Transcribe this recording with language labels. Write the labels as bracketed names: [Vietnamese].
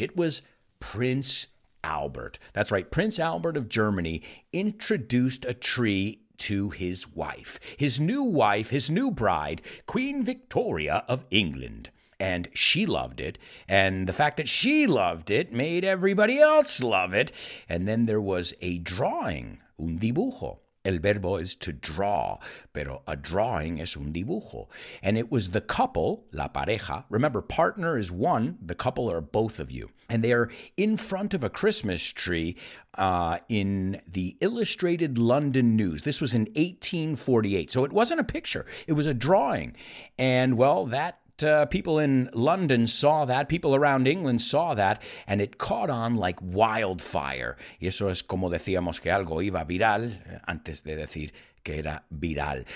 [English] It was Prince Albert. That's right, Prince Albert of Germany introduced a tree to his wife. His new wife, his new bride, Queen Victoria of England. And she loved it. And the fact that she loved it made everybody else love it. And then there was a drawing, un dibujo. [Spanish] El verbo [English] is to draw, [Spanish] pero [English] a drawing [Spanish] es un dibujo. [English] And it was the couple, la pareja. Remember, partner is one, the couple are both of you. And they are in front of a Christmas tree in the Illustrated London News. This was in 1848. So it wasn't a picture, it was a drawing. And well, that people in London saw that, people around England saw that, and it caught on like wildfire. [Spanish] Y eso es como decíamos que algo iba viral, antes de decir que era viral.